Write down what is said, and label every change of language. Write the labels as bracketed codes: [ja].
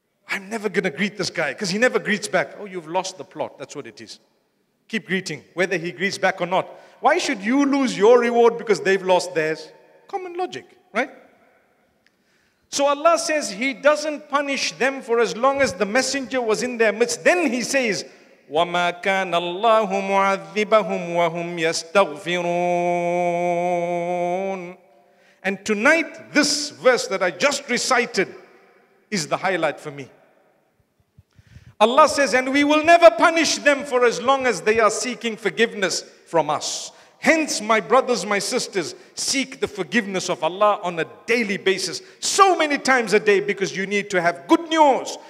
[en] I'm never going to greet this guy because he never greets back. Oh, you've lost the plot. That's what it is. Keep greeting, whether he greets back or not. Why should you lose your reward because they've lost theirs? Common logic, right? So Allah says he doesn't punish them for as long as the messenger was in their midst. Then he says, [ar] وَمَا كَانَ اللَّهُ مُعَذِّبَهُمْ وَهُمْ يَسْتَغْفِرُونَ. [en] And tonight, this verse that I just recited is the highlight for me. Allah says, and we will never punish them for as long as they are seeking forgiveness from us. Hence, my brothers, my sisters, seek the forgiveness of Allah on a daily basis, so many times a day, because you need to have good news.